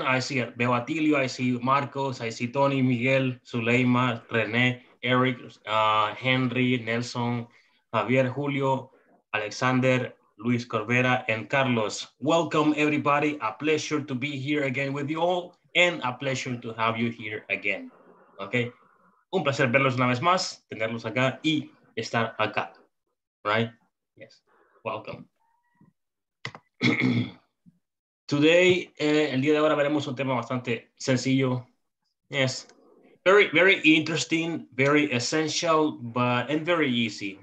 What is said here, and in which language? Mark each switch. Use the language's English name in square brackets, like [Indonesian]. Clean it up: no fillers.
[English] I see Bebatilio, I see Marcos, I see Tony, Miguel, Suleima, René, Eric, Henry, Nelson, Javier, Julio, Alexander, Luis Corbera, and Carlos. Welcome, everybody. A pleasure to be here again with you all, and a pleasure to have you here again. [Spanish] Okay, un placer verlos una vez más, tenerlos acá y estar acá. [English] Right? Yes. Welcome. [Spanish] Today, el día de ahora veremos un tema bastante sencillo. [English] Yes. Very, very interesting, very essential, and very easy.